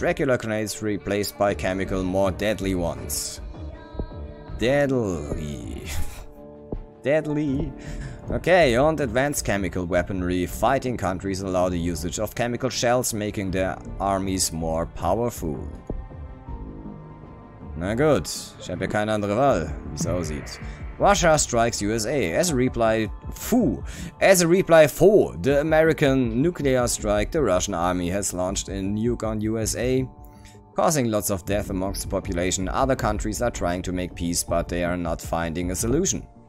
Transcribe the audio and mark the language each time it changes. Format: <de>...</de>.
<en>Regular grenades replaced by chemical, more deadly ones. Deadly. Deadly. Okay, on advanced chemical weaponry, fighting countries allow the usage of chemical shells, making their armies more powerful.</en> <de>Na gut, ich habe ja keine andere Wahl, wie es aussieht.</de> <en>Russia strikes USA as a reply. As a reply for the American nuclear strike, the Russian army has launched a nuke on USA, causing lots of death amongst the population. Other countries are trying to make peace, but they are not finding a solution.</en>